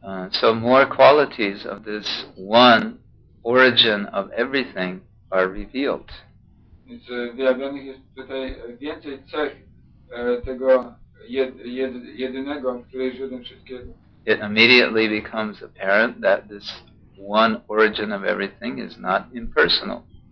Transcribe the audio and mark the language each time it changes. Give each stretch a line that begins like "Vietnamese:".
English: So more qualities of this one origin of everything are revealed.
Polish: Więc wyjawionych jest tutaj więcej cech tego jedynego, który jest źródłem wszystkiego.
English: It immediately becomes apparent that this one origin of everything is not impersonal.